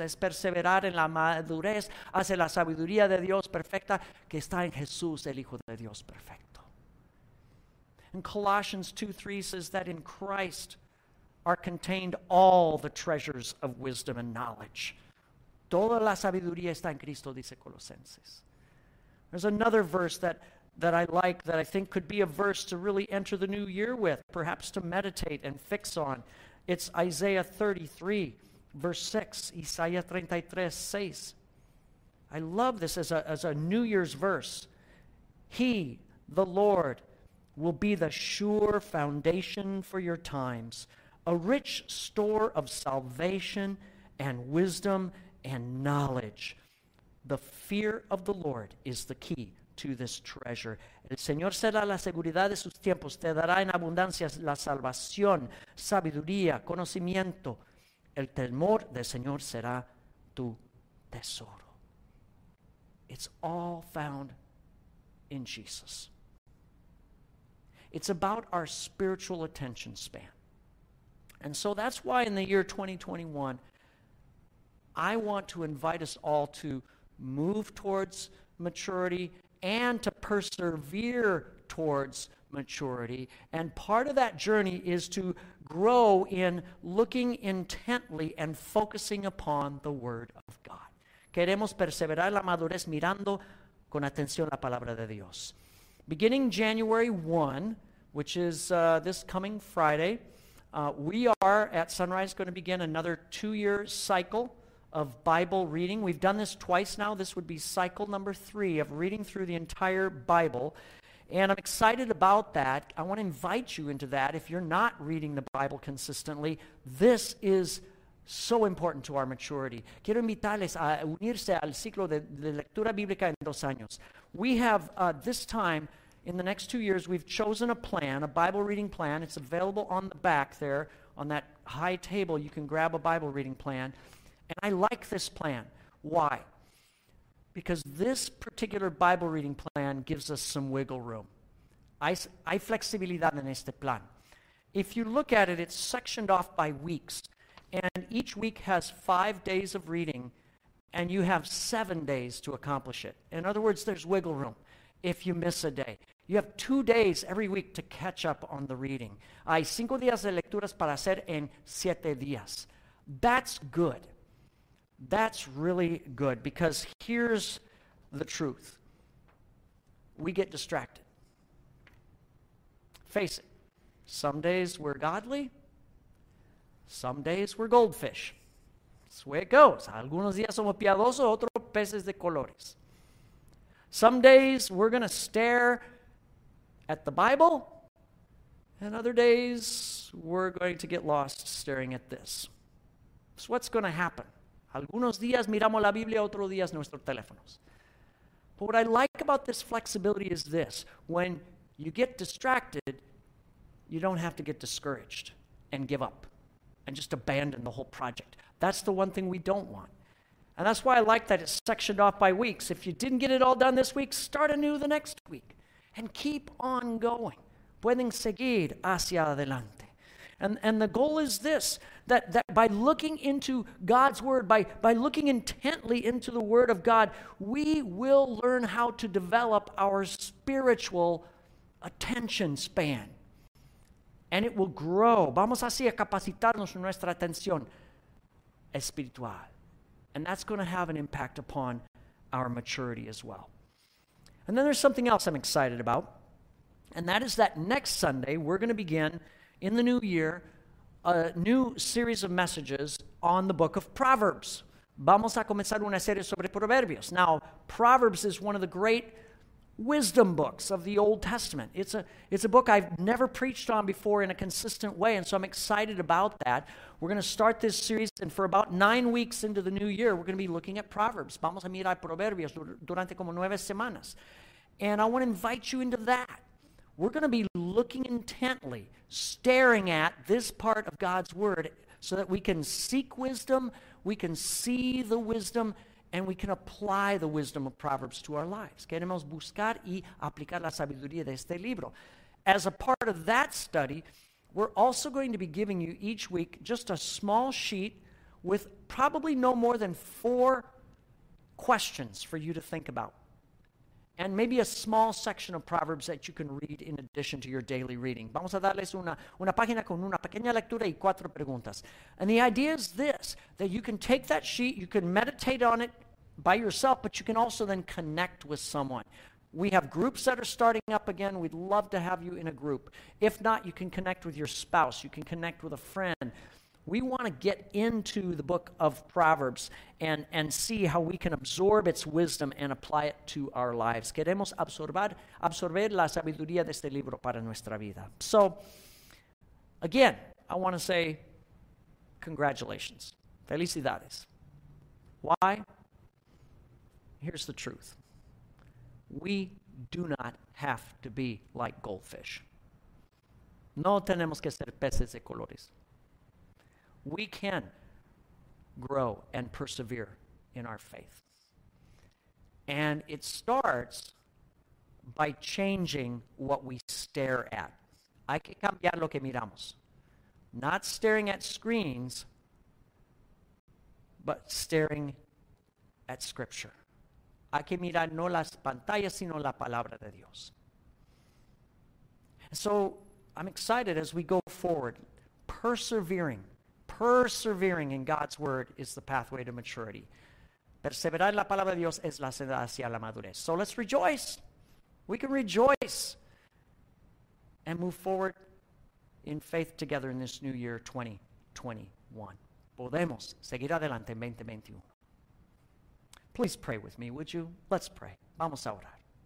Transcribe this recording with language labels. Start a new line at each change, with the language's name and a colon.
Spanish: Es perseverar en la madurez hacia la sabiduría de Dios perfecta que está en Jesús, el Hijo de Dios perfecto.
English: And Colossians 2:3 says that in Christ are contained all the treasures of wisdom and knowledge.
Spanish: Toda la sabiduría está en Cristo, dice Colosenses.
English: There's another verse that I like, that I think could be a verse to really enter the new year with, perhaps to meditate and fix on. It's Isaiah 33, verse 6, Isaiah 33:6. I love this as a New Year's verse. He, the Lord, will be the sure foundation for your times, a rich store of salvation and wisdom and knowledge. The fear of the Lord is the key to this treasure.
Spanish: El Señor será la seguridad de sus tiempos. Te dará en abundancia la salvación, sabiduría, conocimiento. El temor del Señor será tu tesoro.
English: It's all found in Jesus. It's about our spiritual attention span. And so that's why in the year 2021, I want to invite us all to move towards maturity and to persevere towards maturity. And part of that journey is to grow in looking intently and focusing upon the Word of God.
Spanish: Queremos perseverar la madurez mirando con atención la palabra de Dios.
English: Beginning January 1, which is this coming Friday, we are at Sunrise going to begin another 2-year cycle of Bible reading. We've done this twice now. This would be cycle number 3 of reading through the entire Bible. And I'm excited about that. I want to invite you into that. If you're not reading the Bible consistently, this is so important to our maturity.
Spanish: Quiero invitarles a unirse al ciclo de lectura bíblica en 2 años.
English: We have this time, in the next 2 years, we've chosen a plan, a Bible reading plan. It's available on the back there on that high table. You can grab a Bible reading plan. And I like this plan. Why? Because this particular Bible reading plan gives us some wiggle room.
Spanish: Hay flexibilidad en este plan.
English: If you look at it, it's sectioned off by weeks. And each week has 5 days of reading, and you have 7 days to accomplish it. In other words, there's wiggle room if you miss a day. You have 2 days every week to catch up on the reading.
Spanish: Hay 5 días de lecturas para hacer en 7 días.
English: That's good. That's really good, because here's the truth. We get distracted. Face it. Some days we're godly. Some days we're goldfish. That's the way it goes.
Spanish: Algunos días somos piadosos, otros peces de colores.
English: Some days we're going to stare at the Bible, and other days we're going to get lost staring at this. So what's going to happen?
Spanish: Algunos días miramos la Biblia, otros días nuestros teléfonos.
English: But what I like about this flexibility is this. When you get distracted, you don't have to get discouraged and give up and just abandon the whole project. That's the one thing we don't want. And that's why I like that it's sectioned off by weeks. If you didn't get it all done this week, start anew the next week and keep on going.
Spanish: pueden seguir hacia adelante.
English: And the goal is this, that by looking into God's word, by looking intently into the word of God, we will learn how to develop our spiritual attention span. And it will grow.
Spanish: Vamos así a capacitarnos en nuestra atención espiritual.
English: And that's going to have an impact upon our maturity as well. And then there's something else I'm excited about. And that is that next Sunday, we're going to begin in the new year a new series of messages on the book of Proverbs.
Spanish: Vamos a comenzar una serie sobre Proverbios.
English: Now, Proverbs is one of the great wisdom books of the Old Testament. It's a book I've never preached on before in a consistent way, and so I'm excited about that. We're going to start this series, and for about 9 weeks into the new year, we're going to be looking at Proverbs.
Spanish: Vamos a mirar Proverbios durante como 9 semanas.
English: And I want to invite you into that. We're going to be looking intently, staring at this part of God's Word so that we can seek wisdom, we can see the wisdom, and we can apply the wisdom of Proverbs to our lives.
Spanish: Queremos buscar y aplicar la sabiduría de este libro.
English: As a part of that study, we're also going to be giving you each week just a small sheet with probably no more than 4 questions for you to think about. And maybe a small section of Proverbs that you can read in addition to your daily reading.
Spanish: Vamos a darles una página con una pequeña lectura y 4 preguntas.
English: And the idea is this, that you can take that sheet, you can meditate on it by yourself, but you can also then connect with someone. We have groups that are starting up again. We'd love to have you in a group. If not, you can connect with your spouse. You can connect with a friend. We want to get into the book of Proverbs and see how we can absorb its wisdom and apply it to our lives.
Spanish: Queremos absorber la sabiduría de este libro para nuestra vida.
English: So, again, I want to say congratulations.
Spanish: Felicidades.
English: Why? Here's the truth. We do not have to be like goldfish.
Spanish: No tenemos que ser peces de colores.
English: We can grow and persevere in our faith. And it starts by changing what we stare at.
Spanish: Hay que cambiar lo que miramos.
English: Not staring at screens, but staring at Scripture.
Spanish: Hay que mirar no las pantallas, sino la palabra de Dios.
English: So I'm excited as we go forward, persevering. Persevering in God's word is the pathway to maturity.
Spanish: Perseverar en la palabra de Dios es la senda hacia la madurez.
English: So let's rejoice. We can rejoice and move forward in faith together in this new year 2021.
Spanish: Podemos seguir adelante en 2021.
English: Please pray with me, would you? Let's pray.
Spanish: Vamos a orar.